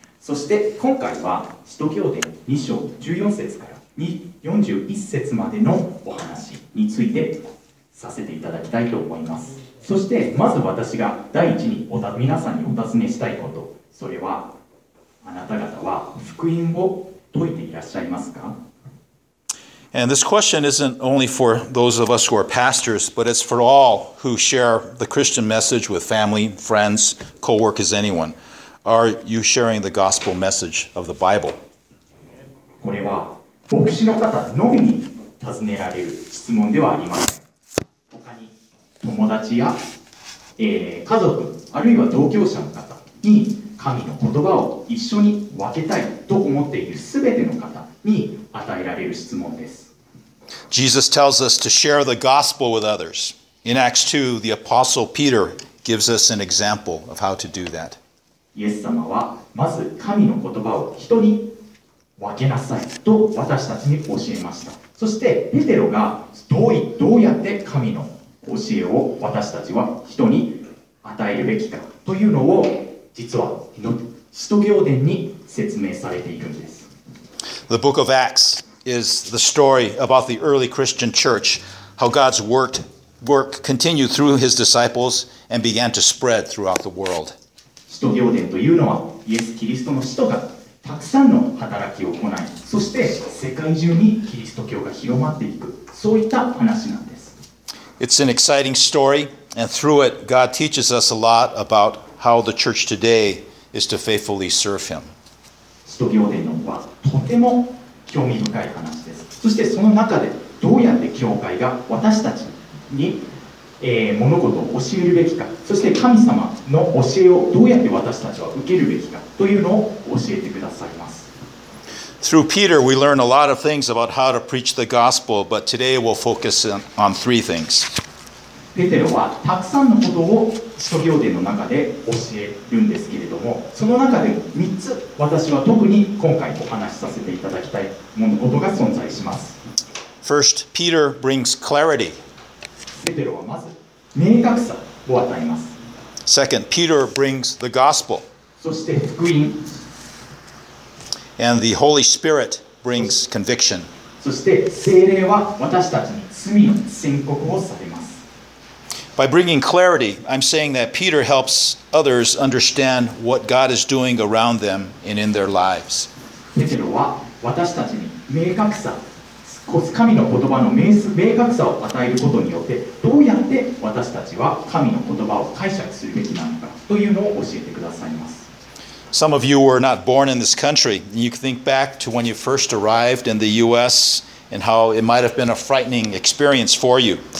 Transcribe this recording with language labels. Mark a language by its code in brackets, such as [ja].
[ja] そして今回は使徒行伝2章14節から41節までのお話についてさせていただきたいと思います。そしてまず私が第一に皆さんにお尋ねしたいこと、それはあなた方は福音を説いていらっしゃいますか。 [en] And this question isn't only for those of us who are pastors, but it's for all who share the Christian message with family, friends, co-workers, anyone. Are you sharing the gospel message of the Bible? [ja] これは牧師の方のみに尋ねられる質問ではありません。他に友達や、家族、あるいは同業者の方に神の言葉を一緒に分けたいと思っているすべての方に与えられる質問です。 [en] Jesus tells us to share the gospel with others. In Acts 2, the apostle Peter gives us an example of how to do that. [ja] イエス様はまず神の言葉を人に分けなさいと私たちに教えました。そしてペテロがどうやって神の教えを私たちは人に与えるべきかというのを実は使徒行伝に説明されていくんです。 [en] The book of Acts is the story about the early Christian church, how God's work continued through his disciples and began to spread throughout the world. [ja] 使徒行伝というのは、イエス・キリストの使徒がたくさんの働きを行い、そして世界中にキリスト教が広まっていく、そういった話なんです。 [en] It's an exciting story, and through it, God teaches us a lot about how the church today is to faithfully serve him. [ja] 使徒行伝のはとても興味深い話です。そしてその中でどどうやって教会が私たちに物事を教えるべきか、そして神様の教えをどうやって私たちは受けるべきかというのを教えてくださいます。 [en] Through Peter we learn a lot of things about how to preach the gospel, but today we'll focus on three things. [ja] ペテロはたくさんのことを使徒行伝の中で教えるんですけれども、その中で3つ私は特に今回お話しさせていただきたいものことが存在します。 [en] First, Peter brings clarity [ja] ペテロはまず明確さを与えます。 [en] Second, Peter brings the gospel. [ja] そして福音。 [en] And the Holy Spirit brings conviction. [ja] そして聖霊は私たちに罪の宣告をされます。 [en] By bringing clarity, I'm saying that Peter helps others understand what God is doing around them and in their lives. [ja] ペテロは私たちに明確さ、神の言葉の明確さを与えることによって、どうやって私たちは神の言葉を解釈するべきなのかというのを教えてくださいます。 [en] Some of you were not born in this country. You think back to when you first arrived in the U.S. and how it might have been a frightening experience for you.